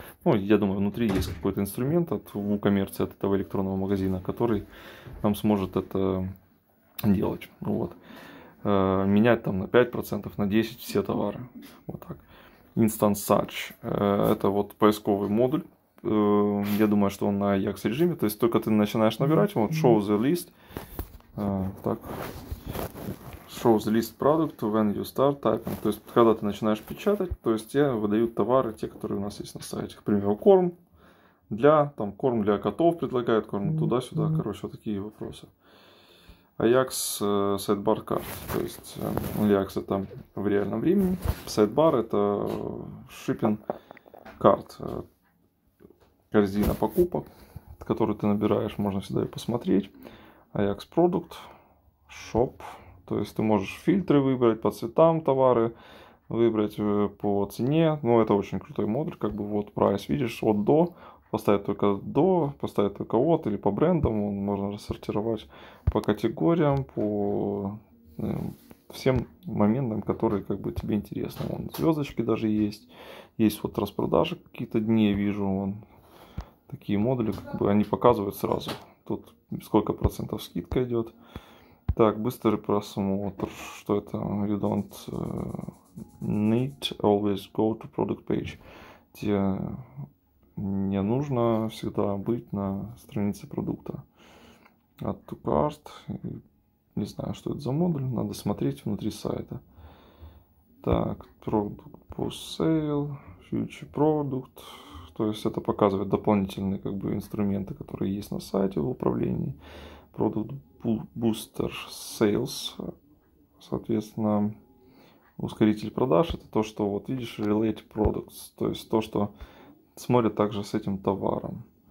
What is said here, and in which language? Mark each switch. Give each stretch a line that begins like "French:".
Russian: Ну, я думаю, внутри есть какой-то инструмент от WooCommerce, от этого электронного магазина, который нам сможет это делать. Вот. Менять там на 5%, на 10% все товары. Вот так.
English: Instant Search.
Russian: Это вот поисковый модуль. Я думаю, что он на Ajax режиме. То есть только ты начинаешь набирать, вот
English: show the list.
Russian: Так.
English: Show the list product when you start typing.
Russian: То есть, когда ты начинаешь печатать, то есть тебе выдают товары, те, которые у нас есть на сайте. К примеру, корм для там корм для котов предлагают, корм туда-сюда. Короче, вот такие вопросы.
English: Ajax sidebar card.
Russian: То есть Ajax это в реальном времени.
English: Sidebar
Russian: это
English: shipping card.
Russian: Корзина покупок, которую ты набираешь, можно всегда ее посмотреть.
English: Ajax Product, Shop.
Russian: То есть ты можешь фильтры выбрать по цветам товары, выбрать по цене. Ну, это очень крутой модуль. Как бы вот price, видишь, от до. Поставить только до, поставить только от или по брендам. Можно рассортировать по категориям, по всем моментам, которые как бы тебе интересны. Вон, звездочки даже есть. Есть вот распродажи какие-то дни, я вижу, вон. Такие модули, как бы они показывают сразу. Тут сколько процентов скидка идет. Так, быстрый просмотр. Что это?
English: You don't need always go to product page.
Russian: Тебе не нужно всегда быть на странице продукта.
English: Add to cart.
Russian: Не знаю, что это за модуль. Надо смотреть внутри сайта. Так,
English: product for sale. Future product.
Russian: То есть это показывает дополнительные как бы инструменты, которые есть на сайте в управлении.
English: Product Booster Sales,
Russian: соответственно, ускоритель продаж. Это то, что вот видишь, Relate Products. То есть то, что смотрят также с этим товаром.